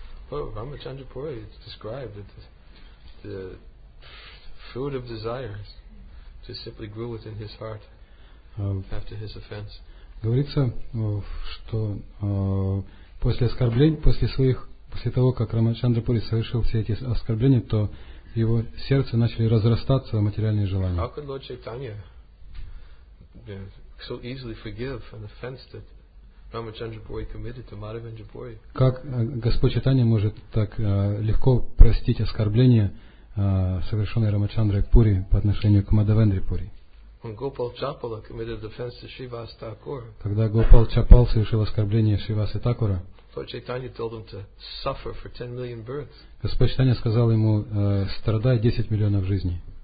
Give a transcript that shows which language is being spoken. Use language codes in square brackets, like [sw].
[en] Well, Ramachandra Puri is described that the fruit of desires just simply grew within his heart after his offense. [ru] Говорится, что после оскорблений, после того, как Рамачандра Пури совершил все эти оскорбления, то его сердце начали разрастаться материальные желания. [en] How could Lord Chaitanya so easily forgive an offense that Ramachandra Puri committed to Madhavendra Puri? [ru] Как Господь Чайтанья может так легко простить оскорбление, совершенное Рамачандрой Пури по отношению к Мадхавендре Пури? Когда Гопал Чапал совершил оскорбление Шривасы Такура, Господь Чайтанья сказал ему: страдай 10 миллионов жизней.